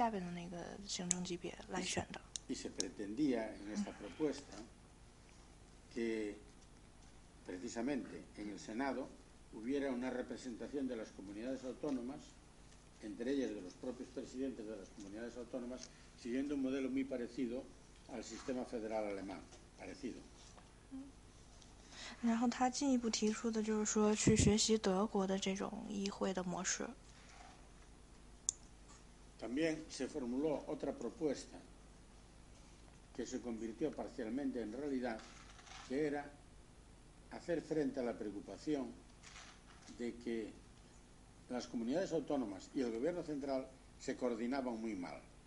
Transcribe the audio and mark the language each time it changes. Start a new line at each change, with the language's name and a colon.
Chinese: 然后第二个提议，他就是说希望在这个西班牙的两个议会，就是他是上下两院嘛，在上下两，在他的那个上议院，能够是按照这个自治区的这个代表来选，因为他现在的这个选举方式是按照50个省，就是自治区下边的那个行政级别来选的。
Spanish: Y se pretendía en esta propuesta que precisamente en el Senado hubiera una representación de las comunidades autónomas, entre ellas de los propios presidentes de las comunidades autónomas, siguiendo un modelo muy parecido al sistema federal alemán, parecido.
Chinese: 然后他进一步提出的就是说去学习德国的这种议会的模式。
Spanish: También se formuló otra propuesta que se convirtió parcialmente en realidad, que era hacer frente a la preocupación de que las comunidades autónomas y el gobierno central se coordinaban muy mal.